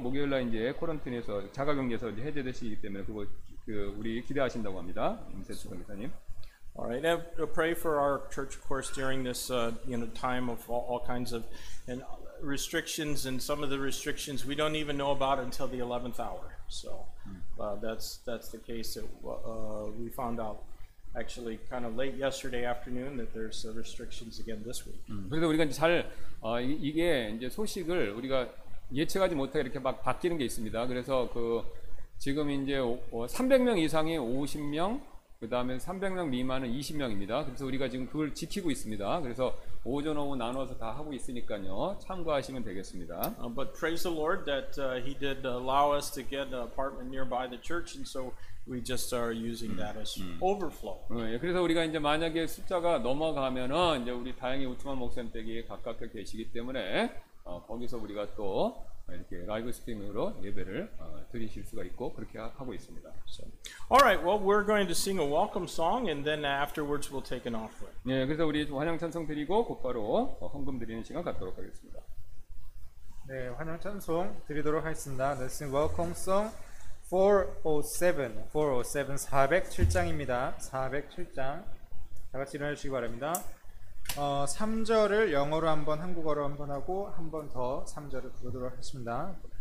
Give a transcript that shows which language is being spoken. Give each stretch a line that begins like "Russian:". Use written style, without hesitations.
Korean: 목요일 날 이제 코런틴에서 자가격리에서 이제 해제되시기 때문에 그거 그 우리 기대하신다고 합니다. 임세수 목사님.
English: All right. I pray for our church, of course, during this you know time of all kinds of and restrictions and some of the restrictions we don't even know about until the 11th hour. So that's the case that we found out. Actually, kind of late yesterday afternoon, that there's restrictions again this week.
Korean: 그래서 우리가 이제 잘 이게 이제 소식을 우리가 예측하지 못하게 이렇게 막 바뀌는 게 있습니다. 그래서 그 지금 이제 300명 이상이 50명, 그 다음에 300명 미만은 20명입니다. 그래서 우리가 지금 그걸 지키고 있습니다. 그래서 오전 오후 나눠서 다 하고 있으니까요. 참고하시면 되겠습니다.
English: But praise the Lord that He did allow us to get an apartment nearby the church, and so. We just are using that as overflow.
Korean: 예, 그래서 우리가 이제 만약에 숫자가 넘어가면은 이제 우리 다행히 우트만 목사님 댁이 가깝게 계시기 때문에 거기서 우리가 또 이렇게 라이브 스트리밍으로 예배를 드리실 수가 있고 그렇게 하고 있습니다.
English: So, all right, well, we're going to sing a welcome song, and then afterwards we'll take an offering.
Korean: 네, 그래서 우리 환영 찬송 드리고 곧바로 헌금 드리는 시간 갖도록 하겠습니다. 네, 환영 찬송 드리도록 하겠습니다.
English: Let's sing welcome song 407, 407
Korean: 407장입니다. 407장 다 같이 일어나주시기 바랍니다. 3절을 영어로 한번 한국어로 한번 하고 한번 더 3절을 부르도록 하겠습니다.